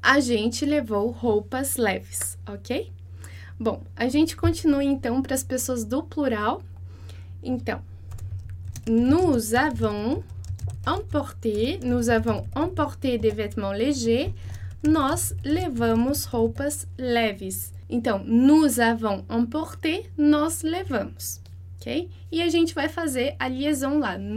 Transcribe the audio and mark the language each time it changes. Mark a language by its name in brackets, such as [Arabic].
[Portuguese] A gente levou roupas leves, ok? Bom, a gente continua então para as pessoas do plural. [French] Então, nous avons emporté des vêtements légers. [Portuguese] Nós levamos roupas leves. Então, [French] nous avons emporté, [Portuguese] nós levamos. Ok? E a gente vai fazer a liaison lá.